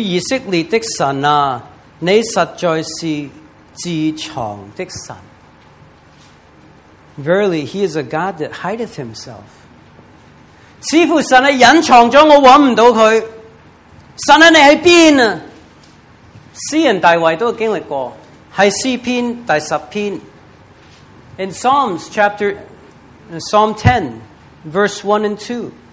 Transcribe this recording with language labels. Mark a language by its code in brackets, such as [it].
[zh] 教主以色列的神啊, 你实在是至藏的神。 [en] Verily, he is a God that hideth himself. [zh] 似乎神隐藏了我找不到他。神啊，你在哪啊？诗人大卫都经历过。是诗篇第10篇。 [en] In Psalms chapter... Psalm 10, verse 1 and 2.